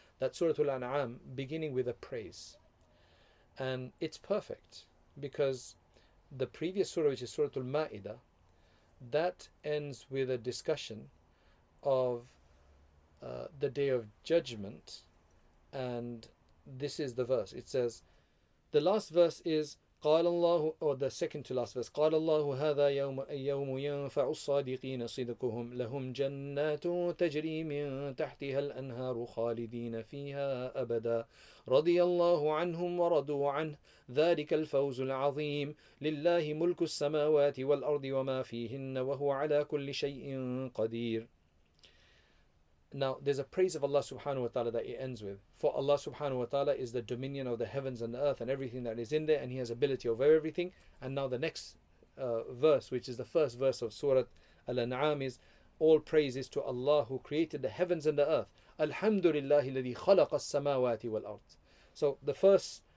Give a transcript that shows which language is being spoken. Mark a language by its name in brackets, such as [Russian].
[English] That Surah Al-An'am beginning with a praise. And it's perfect. Because the previous surah, which is Surah Al-Ma'idah, that ends with a discussion of the Day of Judgment. And this is the verse. It says, the last verse is, [Arabic] قَالَ اللَّهُ, [English] or the second to last verse, [Arabic] قَالَ اللَّهُ هَذَا يَوْمُ يَنْفَعُ الصَّادِقِينَ صِدْقُهُمْ لَهُمْ جَنَّاتٌ تَجْرِي مِنْ تَحْتِهَا الْأَنْهَارُ خَالِدِينَ فِيهَا أَبَدًا رَضِيَ اللَّهُ عَنْهُمْ وَرَضُوا عَنْهُ ذَلِكَ الْفَوْزُ الْعَظِيمُ لِلَّهِ مُلْكُ السَّمَاوَاتِ وَالْأَرْضِ وَمَا فِيهِنَّ وَهُوَ عَلَى كُلِّ شَيْءٍ قَدِيرٌ. [English] Now there's a praise of Allah subhanahu wa ta'ala that it ends with. For Allah subhanahu wa ta'ala is the dominion of the heavens and the earth and everything that is in there, and he has ability over everything. And now the next verse, which is the first verse of Surah Al-An'am, is all praises to Allah who created the heavens and the earth. [Arabic] Alhamdulillahi alladhi khalaqa as-samawati wal-ard. [English] So the first